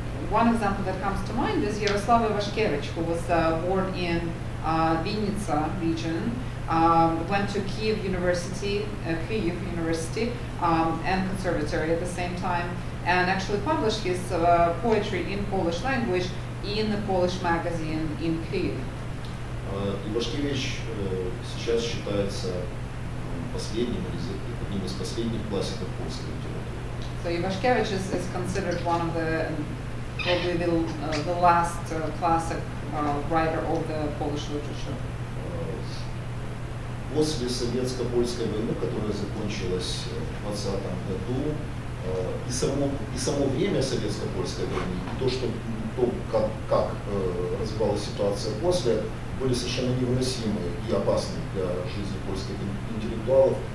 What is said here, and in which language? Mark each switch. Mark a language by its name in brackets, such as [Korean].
[English] One example that comes to mind is Yaroslav Ivashkevich, who was born in Vinnytsia region, went to Kyiv University, Kyiv University, and conservatory at the same time, and actually published his poetry in Polish language in the Polish magazine in Kyiv. [Russian] Ivashkevich сейчас считается последним из одним из последних классиков польской литературы. [English] So Ivashkevich is considered one of the probably the last classic writer of the Polish literature. [Russian] После советско-польской войны, которая закончилась в 20-м году, и само время советско-польской войны, и то, как развивалась ситуация после, были совершенно невыносимы и опасны для жизни польских интеллектуалов.